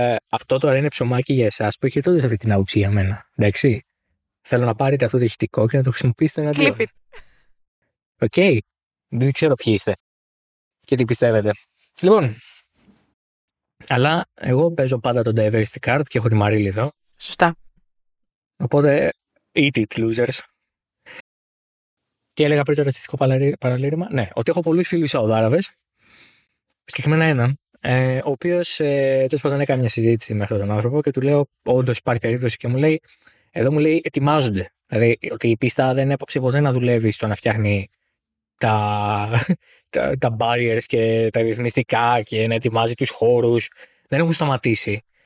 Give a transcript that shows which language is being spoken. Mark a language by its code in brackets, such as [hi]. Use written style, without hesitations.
[el] Αυτό τώρα είναι ψωμάκι για εσάς που έχετε όντως αυτή την άποψη για μένα. Εντάξει. Θέλω να πάρετε αυτό το ηχητικό και να το χρησιμοποιήσετε εναντίον. [en] Clip it. [el] Οκ. Δεν ξέρω ποιοι είστε. Και τι πιστεύετε. Λοιπόν. Αλλά εγώ παίζω πάντα τον diversity card και έχω τη Μαρίλη εδώ. Σωστά. Οπότε, [en] eat it, losers. [el] Τι έλεγα πριν το ρατσιστικό παραλήρημα. Ναι, ότι έχω πολλούς φίλους Σαουδάραβες. Συγκεκριμένα έναν. Ο οποίος τέλος πάντων έκανε μια συζήτηση με αυτόν τον άνθρωπο και του λέω: όντως υπάρχει περίπτωση, και μου λέει: εδώ μου λέει ετοιμάζονται. Δηλαδή ότι η πίστα δεν έπαψε ποτέ να δουλεύει στο να φτιάχνει τα barriers και τα ρυθμιστικά και να ετοιμάζει τους χώρους. Δεν έχουν σταματήσει.